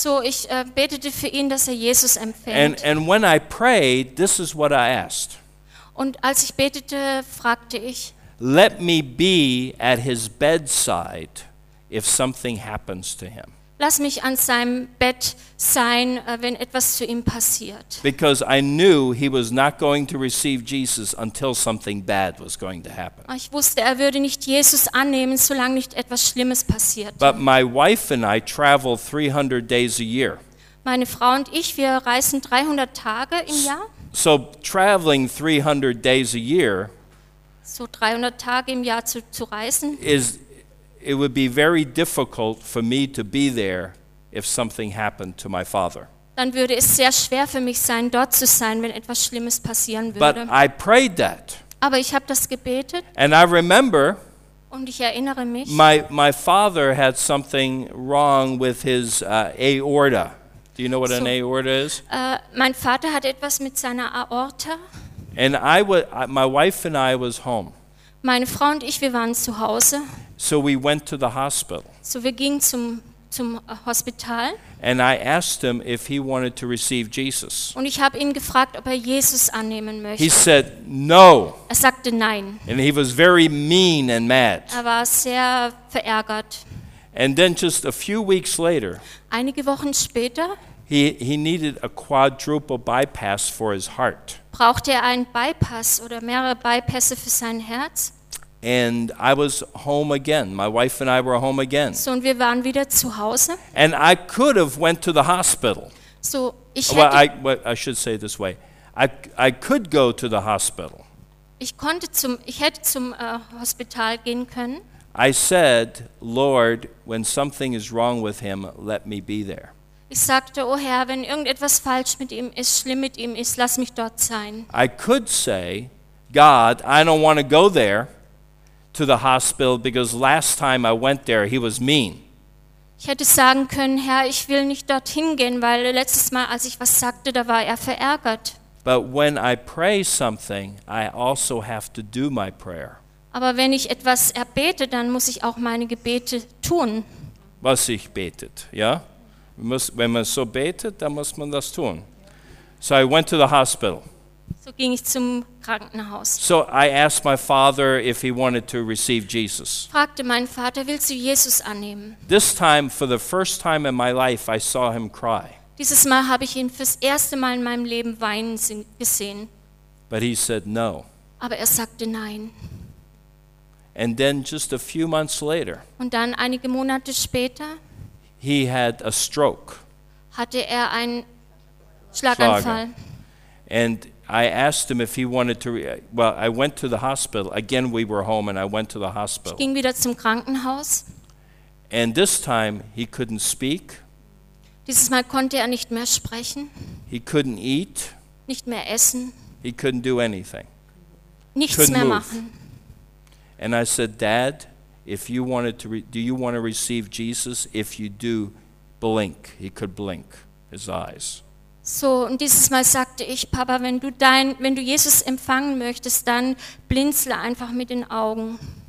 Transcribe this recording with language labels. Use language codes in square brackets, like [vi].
[de] So ich betete für ihn, dass er Jesus empfängt. [en] And when I prayed, this is what I asked. [de] Und als ich betete, fragte ich: [en] Let me be at his bedside if something happens to him. [de] Lass mich an seinem Bett sein, wenn etwas zu ihm passiert. [en] Because I knew he was not going to receive Jesus until something bad was going to happen. [de] Ich wusste, er würde nicht Jesus annehmen, solange nicht etwas Schlimmes passierte. [en] But my wife and I travel 300 days a year. [de] Meine Frau und ich, wir reisen 300 Tage im Jahr. [en] So traveling 300 days a year. [de] So 300 Tage im Jahr zu reisen. [en] It would be very difficult for me to be there if something happened to my father. [de] Dann würde es sehr schwer für mich sein, dort zu sein, wenn etwas Schlimmes passieren würde. [en] But I prayed that. [de] Aber ich habe das gebetet. [en] And I remember. [de] Und ich erinnere mich. [en] My father had something wrong with his aorta. Do you know what an aorta is? [de] Mein Vater hat etwas mit seiner Aorta. [en] And my wife and I was home. [de] Meine Frau und ich, wir waren zu Hause. [en] So we went to the hospital. [de] So wir gingen zum Hospital. [en] And I asked him if he wanted to receive Jesus. [de] Und ich habe ihn gefragt, ob er Jesus annehmen möchte. [en] He said no. [de] Er sagte nein. [en] And he was very mean and mad. [de] Er war sehr verärgert. [en] And then just a few weeks later. [de] Einige Wochen später. [en] He needed a quadruple bypass for his heart. [de] Brauchte er einen Bypass oder mehrere Bypässe für sein Herz? [en] And I was home again. My wife and I were home again. [de] So, und wir waren wieder zu Hause. [en] And I could have went to the hospital. [de] So, ich hätte [en] I should say it this way. I could go to the hospital. [de] Ich hätte zum Hospital gehen können. [en] I said, Lord, when something is wrong with him, let me be there. [de] Ich sagte, oh Herr, wenn irgendetwas falsch mit ihm ist, schlimm mit ihm ist, lass mich dort sein. [en] I could say, God, I don't want to go there. To the hospital because last time I went there he was mean. [de] Ich hätte sagen können, Herr, ich will nicht dorthin gehen, weil letztes Mal, als ich was sagte, da war er verärgert. [en] But when I pray something, I also have to do my prayer. [de] Aber wenn ich etwas erbete, dann muss ich auch meine Gebete tun. Was ich betet, ja? Wenn man so betet, dann muss man das tun. [en] So I went to the hospital. [de] So ging ich zum Krankenhaus. [en] So I asked my father if he wanted to receive Jesus. [de] Fragte meinen Vater, willst du Jesus annehmen? [en] This time, for the first time in my life, I saw him cry. [de] Dieses Mal habe ich ihn fürs erste Mal in meinem Leben weinen gesehen. [en] But he said no. [de] Aber er sagte nein. [en] And then just a few months later. [de] Und dann einige Monate später. [en] He had a stroke. [de] Hatte er einen Schlaganfall. [en] And I asked him if he wanted to. I went to the hospital again. We were home, and I went to the hospital. [de] Ich ging wieder zum Krankenhaus. [en] And this time he couldn't speak. [de] Dieses Mal konnte er nicht mehr sprechen. [en] He couldn't eat. [de] Nicht mehr essen. [en] He couldn't do anything. [de] Nichts [en] couldn't [de] mehr [en] move. [de] Machen. [en] And I said, Dad, if you wanted to, do you want to receive Jesus? If you do, blink. He could blink his eyes. [de] So, und dieses Mal sagte ich, Papa, wenn du Jesus empfangen möchtest, dann blinzle einfach mit den Augen.